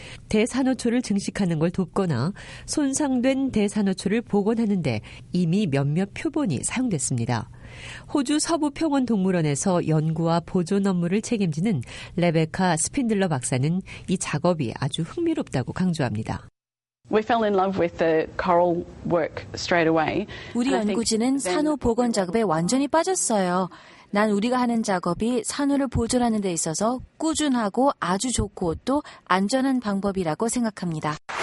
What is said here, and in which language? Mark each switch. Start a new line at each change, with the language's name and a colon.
Korean: 대산호초를 증식하는 걸 돕거나 손상된 대산호초를 복원하는 데 이미 몇몇 표본이 사용됐습니다. 호주 서부 평원 동물원에서 연구와 보존 업무를 책임지는 레베카 스핀들러 박사는 이 작업이 아주 흥미롭다고 강조합니다.
English: We fell in love with the coral work straight away.
Korean: 우리 연구진은 산호 복원 작업에 완전히 빠졌어요. 난 우리가 하는 작업이 산호를 보존하는 데 있어서 꾸준하고 아주 좋고 또 안전한 방법이라고 생각합니다.